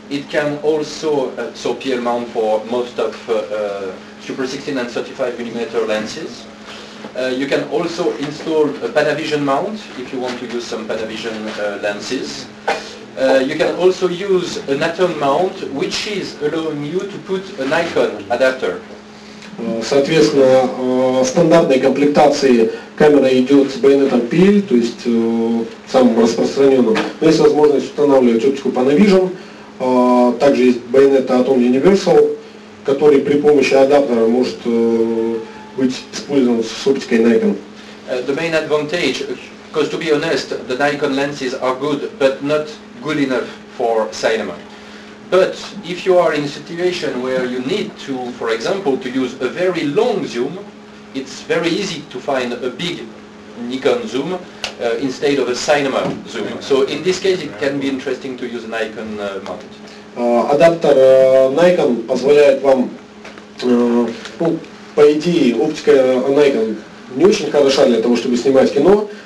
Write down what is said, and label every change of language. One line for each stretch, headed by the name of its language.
English: It can also, so PL mount for most of Super 16 and 35mm lenses. You can also install a Panavision mount if you want to use some Panavision lenses. You can also use an Atom mount, which is allowing you to put an Nikon adapter.
Russian: Соответственно, стандартной комплектации камера идет с байонетом PL, то есть самым распространенным. Но есть возможность устанавливать оптику Panavision. Также есть байонет Atom Universal, который при помощи адаптера может быть использован с оптикой Nikon.
English: The main advantage, because to be honest, the Nikon lenses are good, but not good enough for cinema. But if you are in a situation where you need to, for example, to use a very long zoom, it's very easy to find a big Nikon zoom instead of a cinema zoom. So in this case, it can be interesting to use a Nikon mount.
Russian: Адаптер Nikon позволяет вам, по идее, оптика Nikon не очень хороша для того, чтобы снимать кино,